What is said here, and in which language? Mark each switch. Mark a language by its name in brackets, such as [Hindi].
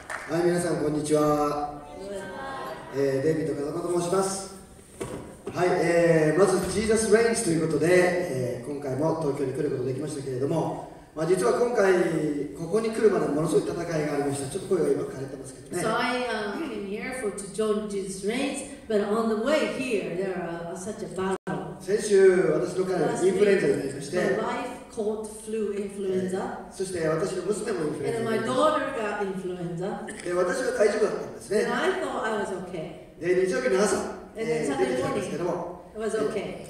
[Japanese] はい、皆さんこんにちは。デビッド風間と申します。はい、まずジーザスレインズということで、今回も東京に来ることができましたけれども、まあ、実は今回ここに来るまでものすごい戦いがありました。ちょっと声が今枯れてますけどね。 [English] So I came here for to join Jesus Reigns, but on the way here there was such a battle. [Japanese] 先週私の彼はインフルエンザになりまして、 [English] my wife caught flu influenza. [Japanese] そして私の娘もインフルエンザになりました。 [English] And my daughter got influenza. [Japanese] 私は大丈夫だったんですね。 [English] And I thought I was okay. [Japanese] で、日曜日の朝。 [English] It was okay.